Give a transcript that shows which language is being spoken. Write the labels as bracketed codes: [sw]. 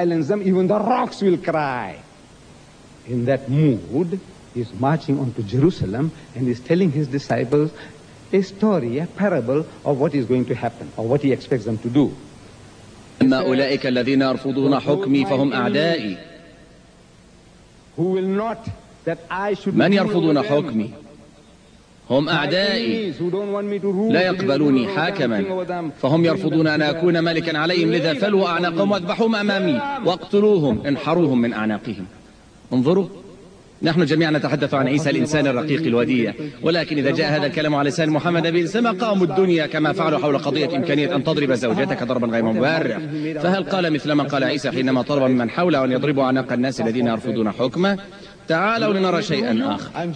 [en] In that mood, he's marching on to Jerusalem and is telling his disciples a story, a parable of what is going to happen or what he expects them to do. [ar] أما أولئك الذين يرفضون حكمي فهم أعدائي. [en] Who will not that I should? [ar] من يرفضون حكمي؟ هم أعدائي. لا يقبلوني حاكما. فهم يرفضون أن أكون ملكا عليهم، لذا فلوا أعناقهم واذبحوهم أمامي واقتلوهم، انحروهم من أعناقهم. انظروا، نحن جميعا نتحدث عن عيسى الإنسان الرقيق الوديع، ولكن إذا جاء هذا الكلام على لسان محمد نبي السماء قام الدنيا كما فعلوا حول قضية إمكانية أن تضرب زوجتك ضربا غير مبرر، فهل قال مثل ما قال عيسى حينما طلب من حوله أن يضربوا أعناق الناس الذين يرفضون حكمه؟ تعالوا لنرى شيئا آخر.